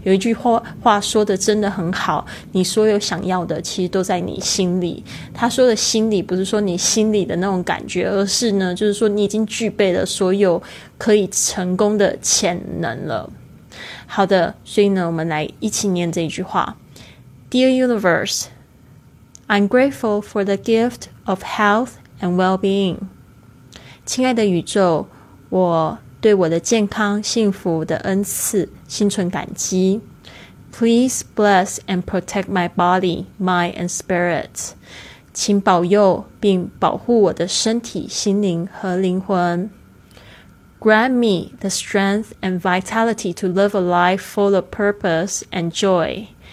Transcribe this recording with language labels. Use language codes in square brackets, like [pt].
[zh] 有一句 话说的真的很好，你所有想要的其实都在你心里。他说的心里不是说你心里的那种感觉，而是呢就是说你已经具备了所有可以成功的潜能了。好的，所以呢我们来一起念这一句话。 [en] Dear Universe, I'm grateful for the gift of health and well-being. [zh] 亲爱的宇宙，我对我的健康、幸福的恩赐心存感激。 [en] Please bless and protect my body, mind and spirit. [zh] 请保佑并保护我的身体、心灵和灵魂。 [en] Grant me the strength and vitality to live a life full of purpose and joy.